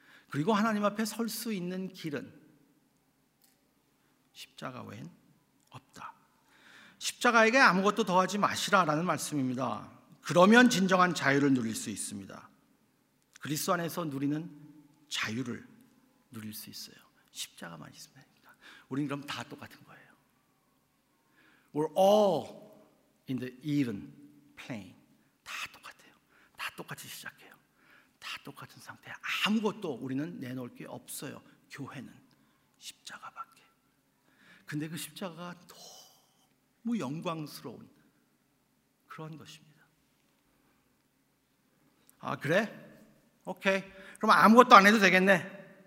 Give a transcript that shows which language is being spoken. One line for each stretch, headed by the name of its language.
Korean: 그리고 하나님 앞에 설 수 있는 길은 십자가 외엔 없다. 십자가에게 아무것도 더하지 마시라라는 말씀입니다. 그러면 진정한 자유를 누릴 수 있습니다. 그리스도 안에서 누리는 자유를 누릴 수 있어요. 십자가만 있으면 됩니다. 우린 그럼 다 똑같은 거예요.
English: We're all in the even plane.
Korean: 다 똑같아요. 다 똑같이 시작해요. 다 똑같은 상태. 아무것도 우리는 내놓을 게 없어요. 교회는 십자가밖에. 근데 그 십자가가 너무 영광스러운 그런 것입니다. 아, 그래? 오케이. 그럼 아무것도 안 해도 되겠네.